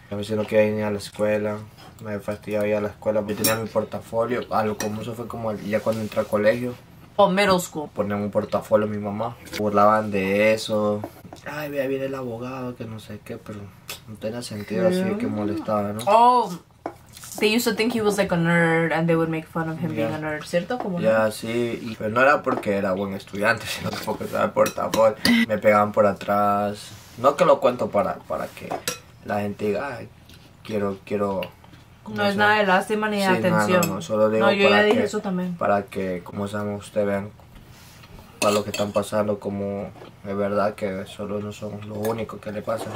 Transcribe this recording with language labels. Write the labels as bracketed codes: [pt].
[es] A veces no quería ir ni a la escuela, me fastidiaba ir a la escuela. Yo tenía mi portafolio, a lo común eso fue como ya cuando entré al colegio. [en] Oh, middle school. [es] Ponía un portafolio a mi mamá. Burlaban de eso. Ay, mira, viene el abogado, que no sé qué, pero no tenía sentido, así que molestaba, ¿no? [en] Oh, they used to think he was like a nerd and they would make fun of him being a nerd, [es] ¿cierto? Como ya, yeah, sí. Pero no era porque era buen estudiante, sino porque estaba por tapón. Me pegaban por atrás. No que lo cuento para que la gente diga, ay, quiero... No es nada de lástima ni de atención. No, solo digo yo ya dije eso también. Para que, como saben, ustedes vean para lo que están pasando, como es verdad que solo no somos los únicos que le pasan.